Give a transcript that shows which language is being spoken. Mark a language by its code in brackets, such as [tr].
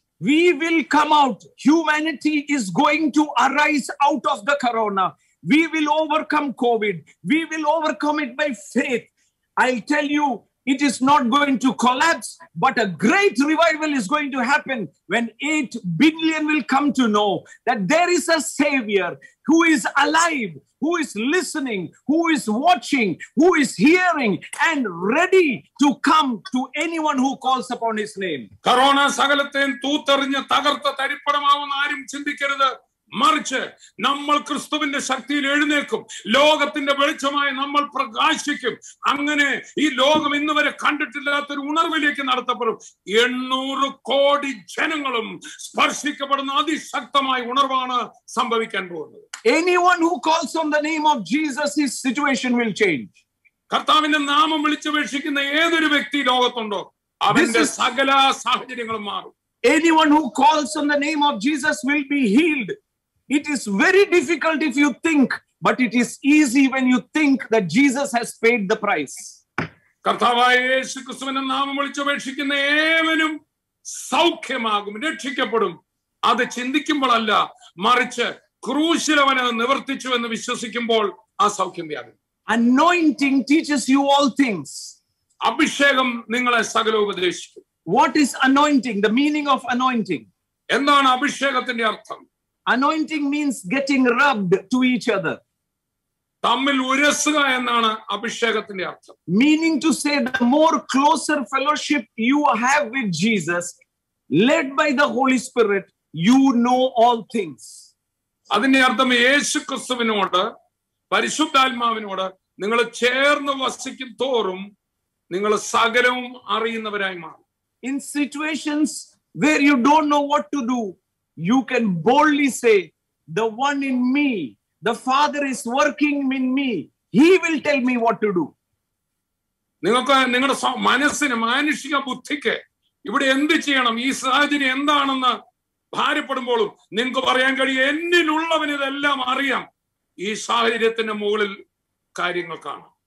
[en] We will come out. Humanity is going to arise out of the corona. We will overcome COVID. We will overcome it by faith. I'll tell you, it is not going to collapse, but a great revival is going to happen when 8 billion will come to know that there is a savior who is alive, who is listening, who is watching, who is hearing and ready to come to anyone who calls upon his name. [ml] Corona sagalathen thootharinja tagartha taripadamavum aarum chindikkarathu. മറിച്ച് നമ്മൾ ക്രിസ്തുവിന്റെ ശക്തിയിൽ എഴുന്നേൽക്കും, ലോകത്തിന്റെ വെളിച്ചമായി നമ്മൾ പ്രകാശിക്കും. അങ്ങനെ ഈ ലോകം ഇന്ന് വരെ കണ്ടിട്ടില്ലാത്തൊരു ഉണർവിലേക്ക് നടത്തപ്പെടും. 800 കോടി ജനങ്ങളും സ്പർശിക്കപ്പെടുന്ന അതിശക്തമായ ഉണർവാണ് സംഭവിക്കാൻ പോകുന്നത്. [en] Anyone who calls on the name of Jesus, his situation will change. [ml] കർത്താവിന്റെ നാമം വിളിച്ചപേക്ഷിക്കുന്ന ഏതൊരു വ്യക്തി ലോകത്തുണ്ടോ അവന്റെ സകല സാഹചര്യങ്ങളും മാറും. [en] Anyone who calls on the name of Jesus will be healed. It is very difficult if you think, but it is easy when you think that Jesus has paid the price. [ml] കർത്താവായ യേശുക്രിസ്തുവിന്റെ നാമം വിളിച്ചപേക്ഷിക്കുന്ന ഏവനും സൗഖ്യമാകും, രക്ഷിക്കപ്പെടും. അത് ചിന്തിക്കുമ്പോഴല്ല, മറിച്ച് ക്രൂശിൽ അവൻ അത് നിവർത്തിച്ചു എന്ന് വിശ്വസിക്കുമ്പോൾ ആ സൗഖ്യം വ്യാപിക്കും. [en] Anointing teaches you all things. [ml] അഭിഷേകം നിങ്ങളെ സകലവും ഉപദേശിക്കും. [en] What is anointing? The meaning of anointing. [ml] എന്താണ് അഭിഷേകത്തിന്റെ അർത്ഥം? [en] Anointing means getting rubbed to each other. [ml] തമ്മിൽ ഉരസുക എന്നാണ് അഭിഷേകത്തിന്റെ അർത്ഥം. [en] Meaning to say the more closer fellowship you have with Jesus, led by the Holy Spirit, you know all things. [ml] അതിന്റെ അർത്ഥം യേശുക്രിസ്തുവിനോട് പരിശുദ്ധാത്മാവിനോട് നിങ്ങൾ ചേർന്ന് വസിക്കും തോറും നിങ്ങൾ സകലവും അറിയുന്നവരായി മാറും. [en] In situations where you don't know what to do, you can boldly say, the one in me, the Father is working in me, he will tell me what to do. [ml] നിങ്ങൾക്ക് നിങ്ങളുടെ മനസ്സിന്, മാനുഷിക ബുദ്ധിക്ക് ഇവിടെ എന്ത് ചെയ്യണം, ഈ സാഹചര്യം എന്താണെന്ന് ഭാരപ്പെടുമ്പോഴും നിങ്ങൾക്ക് പറയാൻ കഴിയും, എന്നിലുള്ളവൻ ഇതെല്ലാം അറിയാം. ഈ സാഹചര്യത്തിന്റെ മുകളിൽ കാര്യങ്ങൾ കാണാം.